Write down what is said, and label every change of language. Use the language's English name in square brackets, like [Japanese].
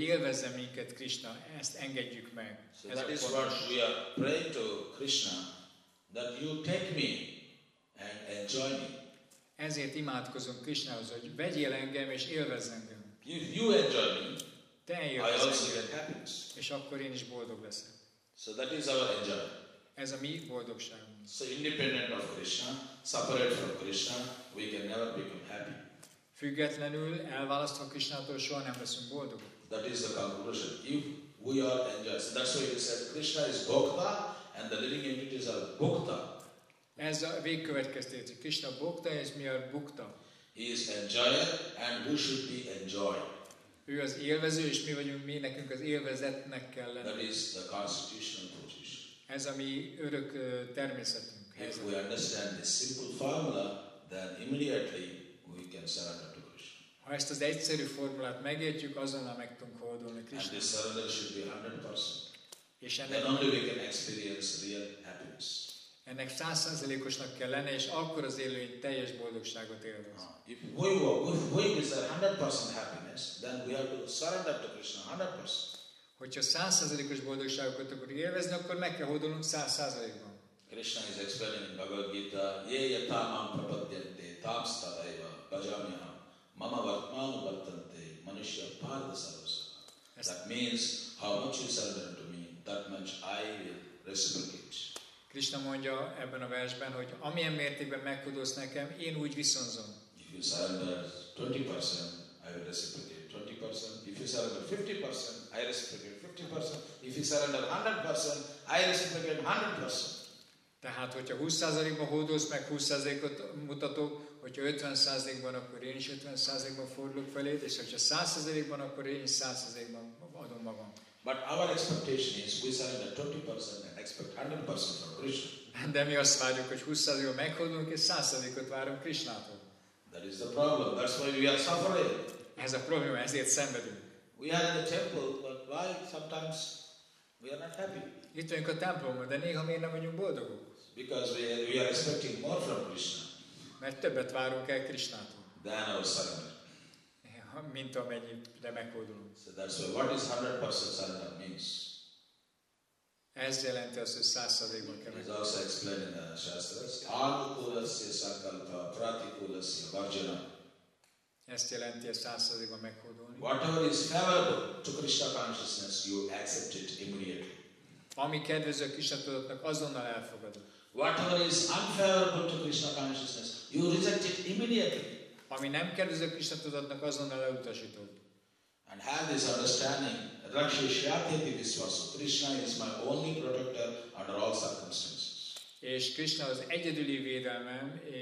[Hungarian] élvezze minket Krishna, ezt engedjük meg. [English] So [Hungarian] ez [English] that is what we are praying to Krishna, that you take me and enjoy me. [Hungarian] Ezért imádkozunk Krishnahoz, hogy vegyél engem és élvezz engem. [English] If you enjoy me, [Hungarian] te [English] I also get happiness. [Hungarian] És akkor én is boldog leszek. [English] So that is our enjoyment. [Hungarian] Ez a mi boldogságunk. [English] So independent of Krishna, separate from Krishna, we can never become happy. [Hungarian] Függetlenül, elválasztva Krishnától soha nem leszünk boldogok. [English] That is the conclusion. If we are enjoyed, so that's why he said Krishna is bhokta and the living entities are bhokta. [Hungarian] Ez a végkövetkeztetés. Krishna bhokta és mi a bhukta. [English] He is enjoyer and we should be enjoyed. [Hungarian] Ő az élvező, és mi vagyunk, mi nekünk az élvezetnek kell lenni. [English] That is the constitutional position. [Hungarian] Ez a mi örök természetünk. [English] If we understand this simple formula, then immediately we can surrender to Krishna. [Hungarian] Ha ezt az egyszerű formulát megértjük, azonnal meg tudunk hódolni Krishna. [English] And this surrender should be 100%. [Hungarian] És ennek [English] then only we can experience real happiness. [Hungarian] Ennek 100%-osnak kell lenni, és akkor az élő egy teljes boldogságot élvez. [English] If we is 100% happiness, then we have to surrender to Krishna 100%. [Hungarian] Hogyha 100%-os boldogságot akarunk élvezni, akkor meg kell hódolnunk 100%-ban. [Sanskrit] Krishna is explaining in Bhagavad Gita, ye yata mam prapadyante tam stadaiva bhajamyaham mama vartmanu vartante manushya partha sarvasaha. [English] That means how much you surrender to me, that much I will reciprocate. [Hungarian] Krishna mondja ebben a versben, hogy amilyen mértékben meghódolsz nekem, én úgy viszonzom. [English] If you surrender 20%, I will reciprocate 20%. If you surrender 50%, I reciprocate 50%. If you surrender 100%, I reciprocate 100%. [Hungarian] Tehát, hogyha 20%-ban hódolsz meg, 20%-ot mutatok, hogyha 50%-ban, akkor én is 50%-ban fordulok feléd, és hogyha 100%-ban, akkor én is 100%-ban adom magam. [English] But our expectation is we surrender 20% and expect 100% from Krishna. [Hungarian] De mi azt várjuk, hogy 20%-ot meghódolunk, és 100%-ot várunk Krishnától. [English] That is the problem. That's why we are suffering. [Hungarian] Ez a probléma, ezért szenvedünk. [English] We are in the temple, but why sometimes we are not happy? [Hungarian] Itt vagyunk a templomban, de néha miért nem vagyunk boldogok? [English] Because we are expecting more from Krishna. [Hungarian] Mert többet várunk el Krishnától. [English] Than our surrender. [Hungarian] Mint amennyit, de meghódolunk. [English] So that's why, what is 100% surrender means? [Hungarian] Ez jelenti azt, hogy 100%-ban kell meghódolni. [English] It is also explained in the Shastras. [Sanskrit] Anukulasya sankalpa, pratikulasya varjana. [Hungarian] Ezt jelenti a 100%-ban meghódolni. [English] Whatever is favorable to Krishna consciousness, you accept it immediately. [Hungarian] Ami kedvező a Krishna tudatnak, azonnal elfogadod. [English] Whatever is unfavorable to Krishna consciousness, you reject it immediately. [Hungarian] Ami nem kedvező a Krishna tudatnak, azonnal elutasítod. [English] And have this understanding, [Sanskrit] Rakshi Shyateti Viswas, [English] Krishna is my only protector under all circumstances. [Hungarian] És Krishna az egyedüli védelmem,